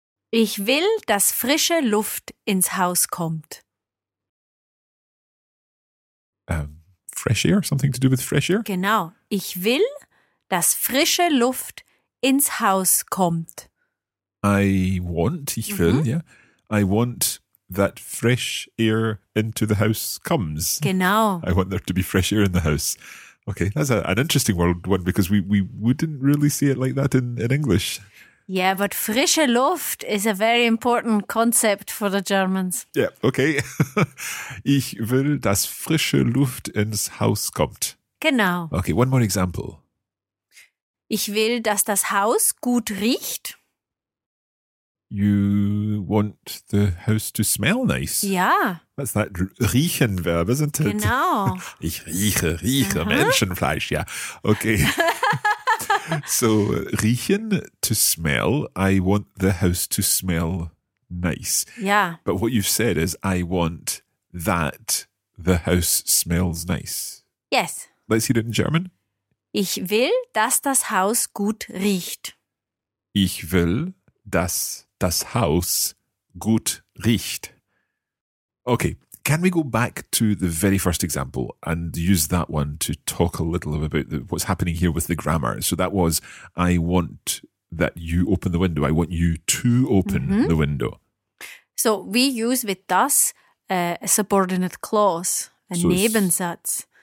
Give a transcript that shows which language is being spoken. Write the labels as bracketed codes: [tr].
[de] Ich will, dass frische Luft ins Haus kommt. [en] Fresh air? Something to do with fresh air? [de] Genau. Ich will, dass frische Luft ins Haus kommt. [en] I want, [de] ich will, ja. [en] I want that fresh air into the house comes. [de] Genau. [en] I want there to be fresh air in the house. Okay, that's an interesting word, one, because we wouldn't really say it like that in English. Yeah, but frische Luft is a very important concept for the Germans. Yeah, okay. [de] Ich will, dass frische Luft ins Haus kommt. Genau. [en] Okay, one more example. [de] Ich will, dass das Haus gut riecht. [en] You want the house to smell nice. Yeah. That's that riechen verb, isn't it? [de] Genau. Ich rieche, uh-huh. Menschenfleisch, yeah. Okay. [en] So, riechen, to smell. I want the house to smell nice. Yeah. But what you've said is, I want that the house smells nice. Yes. Let's hear it in German. [de] Ich will, dass das Haus gut riecht. Ich will, dass das Haus gut riecht. Okay, [en] Can we go back to the very first example and use that one to talk a little about what's happening here with the grammar? So that was, I want that you open the window. I want you to open mm-hmm. the window. So we use with das a subordinate clause, a so Nebensatz.